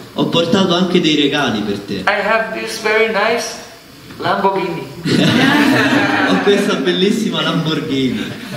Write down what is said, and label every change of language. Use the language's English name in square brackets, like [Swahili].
[Italian] Ho portato anche dei regali per te. [English] I have this very nice Lamborghini. [Italian] Ho questa bellissima Lamborghini.